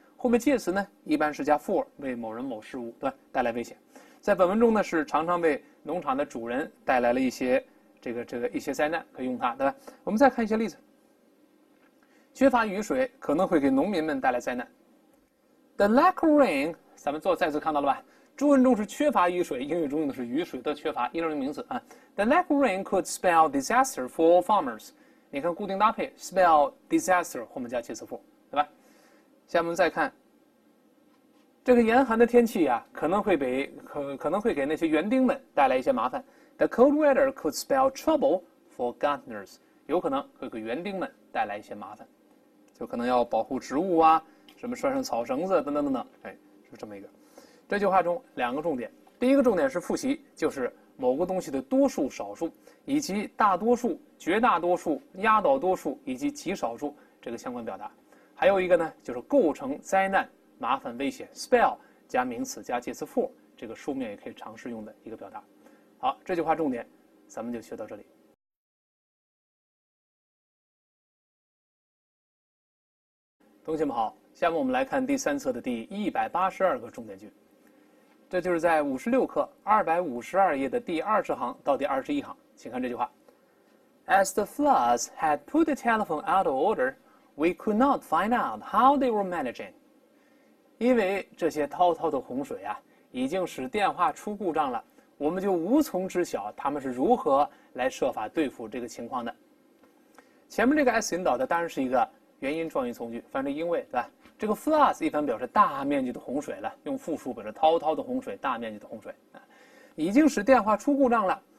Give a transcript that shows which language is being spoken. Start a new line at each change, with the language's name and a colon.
Chinese: 后面介词呢，一般是加 for 为某人某事物对吧带来危险，在本文中呢是常常为农场的主人带来了一些这个一些灾难，可以用它对吧？我们再看一些例子，缺乏雨水可能会给农民们带来灾难。
English: The lack of rain，
Chinese: 咱们再次看到了吧？中文中是缺乏雨水，英语中用的是雨水的缺乏，一类名词啊。
English: The lack of rain could spell disaster for farmers。
Chinese: 你看固定搭配 spell disaster 后面加介词 for。下面再看，这个严寒的天气啊，可能会给那些园丁们带来一些麻烦。
English: The cold weather could spell trouble for gardeners，
Chinese: 有可能会给园丁们带来一些麻烦，就可能要保护植物啊，什么拴上草绳子等等等等。是这么一个。这句话中两个重点，第一个重点是复习，就是某个东西的多数、少数，以及大多数、绝大多数、压倒多数以及极少数这个相关表达。还有一个呢，就是构成灾难、麻烦、危险，spell 加名词加介词 for，这个书面也可以尝试用的一个表达。好，这句话重点，咱们就学到这里。同学们好，下面我们来看第三册的第182个重点句。这就是在56课252页的第20行到第21行，请看这句话：
English: As the floods had put the telephone out of order, we could not find out how they were managing。
Chinese: 因为这些滔滔的洪水啊，已经使电话出故障了，我们就无从知晓他们是如何来设法对付这个情况的。前面这个 S 引导的当然是一个原因状语从句，反正因为，对吧？这个 floods 一般表示大面积的洪水了，用复数表示滔滔的洪水，大面积的洪水啊，已经使电话出故障了。